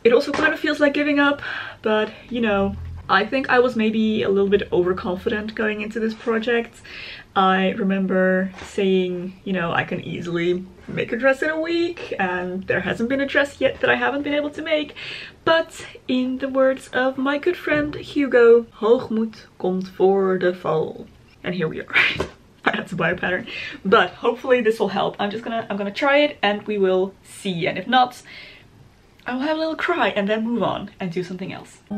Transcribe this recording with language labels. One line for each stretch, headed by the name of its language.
English: It also kind of feels like giving up, but you know, I think I was maybe a little bit overconfident going into this project. I remember saying, you know, I can easily make a dress in a week, and there hasn't been a dress yet that I haven't been able to make. But in the words of my good friend Hugo,
Dutch: hoogmoed komt voor de val.
English: And here we are. I had to buy a pattern. But hopefully this will help. I'm gonna try it and we will see. And if not, I will have a little cry and then move on and do something else.